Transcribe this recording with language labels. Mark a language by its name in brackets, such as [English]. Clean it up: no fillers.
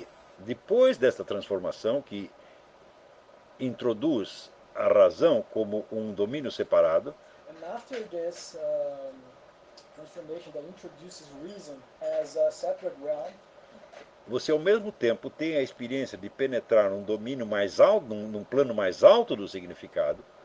[Portuguese] E depois desta transformação que introduz a razão como um domínio separado, [English] and after this transformation that introduces reason as a separate realm, [Portuguese] você ao mesmo tempo tem a experiência de penetrar num domínio mais alto, num plano mais alto do significado.